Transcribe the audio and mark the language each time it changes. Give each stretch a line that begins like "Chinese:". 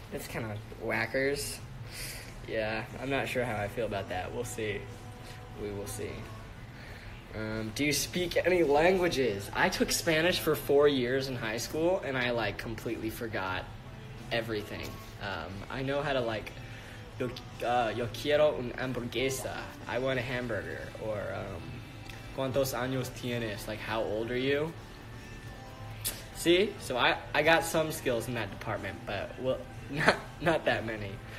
English: It's kind of Wackers. Yeah, I'm not sure how I feel about that. We'll see. We will see. Do you speak any languages? I took Spanish for 4 years in high school, and I, like, completely forgot everything. I know how to, like,
Spanish: yo quiero un hamburguesa,
English: I want a hamburger, or,
Spanish: ¿cuántos años tienes?
English: Like, how old are you? See? So I got some skills in that department, but, well, not that many.